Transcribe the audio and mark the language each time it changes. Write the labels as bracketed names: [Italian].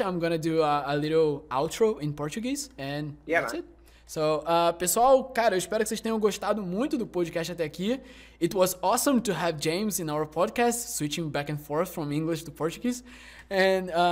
[English] I'm gonna do a little outro in Portuguese and it. [Portuguese] So, pessoal, cara, eu espero que vocês tenham gostado muito do podcast até aqui. [English] It was awesome to have James in our podcast, switching back and forth from English to Portuguese. And